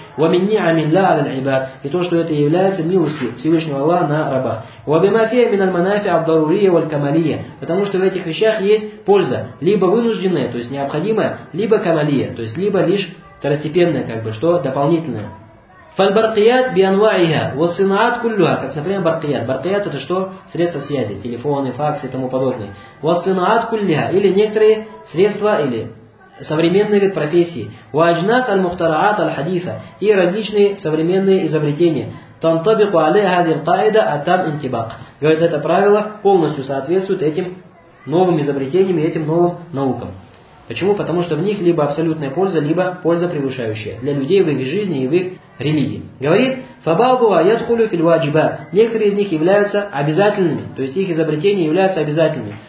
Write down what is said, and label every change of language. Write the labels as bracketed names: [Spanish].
[Arabic] وَمِنْ نِعَمِ اللَّهَ لَلْعِبَادِ. [Russian] И то, что это является милостью Всевышнего Аллаха на раба. [Arabic] وَبِمَا فِيهَ مِنَ الْمَنَافِعِ الضَّرُورِيَّةِ وَالْكَمَالِيَّةِ. [Russian] Потому что в этих вещах есть польза. Либо вынужденная, то есть необходимая, либо камалия, то есть либо лишь второстепенная, как бы, что дополнительная. [Arabic] فالبرقيات بأنواعها والصناعات كلها, [Russian] как, например, [Arabic] барқият. [Russian] Барқият это что? Средства связи, телефоны, факсы и тому подобное. [Arabic] والصناعات كلها, [Russian] или некоторые средства или современные, говорит, профессии. [Arabic] وأجناس المخترعات الحديثة, [Russian] и различные современные изобретения. [Arabic] تنطبق عليها هذه القاعدة أتم انطباق. [Russian] Говорит, это правило полностью соответствует этим новым изобретениям и этим новым наукам. Почему? Потому что в них либо абсолютная польза, либо польза превышающая для людей в их жизни и в их религии. Говорит, [Arabic] фабалгуа ядхулю фильваджиба. [Russian] Некоторые из них являются обязательными, то есть их изобретения являются обязательными.